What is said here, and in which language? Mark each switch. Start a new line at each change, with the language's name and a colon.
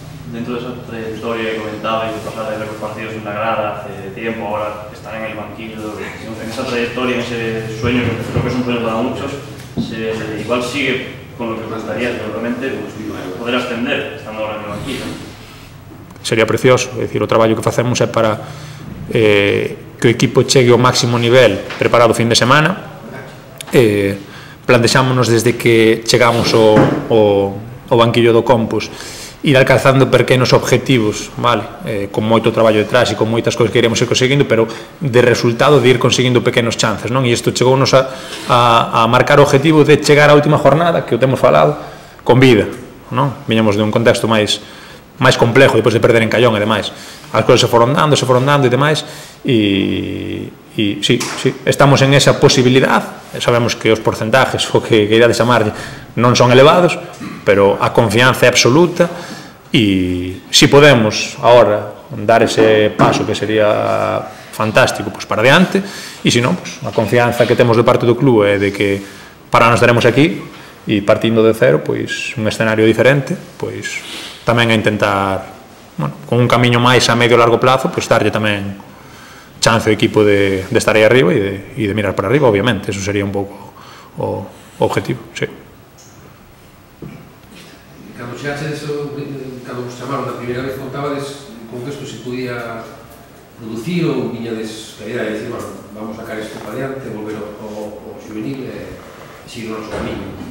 Spanish: Dentro desa trayectoria que comentabais de pasar de varios partidos en la grada hace tiempo, agora estar en el banquillo, en esa trayectoria, en ese sueño, que creo que es un sueño para muchos, igual sigue con lo que gustaría, seguramente, pues, poder ascender estando ahora en el banquillo. Sería precioso, es decir,
Galician: o traballo que facemos é para que o equipo chegue ao máximo nivel preparado o fin de semana. Plantexámonos desde que chegamos ao banquillo do Compos ir alcanzando pequenos objetivos, vale, con moito traballo detrás e con moitas cousas que iremos ir conseguindo, pero de resultado de ir conseguindo pequenos chances, non? E isto chegou-nos a marcar o objetivo de chegar á última jornada, que o temos falado, con vida, non? Viñamos de un contexto máis complejo depois de perder en Callón e demais. As cousas se foron dando e demais, e sí, estamos en esa posibilidad. Sabemos que os porcentajes, o que queirades chamar, non son elevados, pero a confianza é absoluta, e si podemos agora dar ese paso, que sería fantástico, pois para adiante, e se non, pois a confianza que temos de parte do club é de que para nós estaremos aquí, e partindo de cero, pois un escenario diferente, pois tamén a intentar, bueno, con un camiño máis a medio e largo plazo, pois darlle tamén chance ao equipo de estar aí arriba e de mirar para arriba, obviamente. Eso sería un pouco o objetivo, sí. Cando chegaste, cando vos chamaron, a primeira vez contabades con que isto se podía producir, ou viñades a idea de decir, bueno, vamos sacar isto para adiante, volver ao juvenil e seguir o noso camiño?